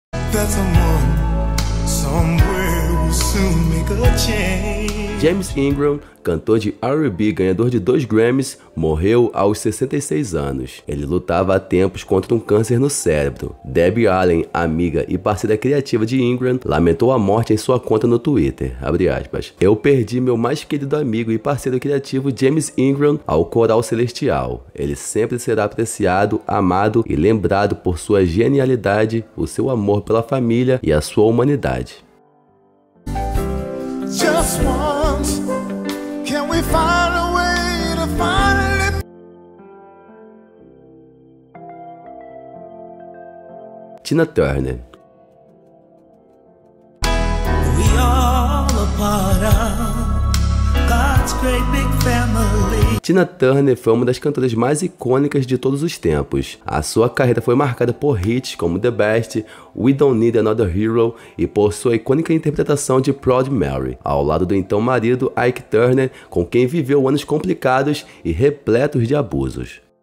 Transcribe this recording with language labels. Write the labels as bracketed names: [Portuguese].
[English] There's someone somewhere will soon make a change. [Portuguese] James Ingram, cantor de R&B, ganhador de 2 Grammys, morreu aos 66 anos. Ele lutava há tempos contra um câncer no cérebro. Debbie Allen, amiga e parceira criativa de Ingram, lamentou a morte em sua conta no Twitter, abre aspas. Eu perdi meu mais querido amigo e parceiro criativo James Ingram ao coral celestial. Ele sempre será apreciado, amado e lembrado por sua genialidade, o seu amor pela família e a sua humanidade. [English] Just once, can we find a way to finally... [Portuguese] Tina Turner. [English] We all a part of God's great big family. [Portuguese] Tina Turner foi uma das cantoras mais icônicas de todos os tempos. A sua carreira foi marcada por hits como The Best, We Don't Need Another Hero e por sua icônica interpretação de Proud Mary, ao lado do então marido Ike Turner, com quem viveu anos complicados e repletos de abusos.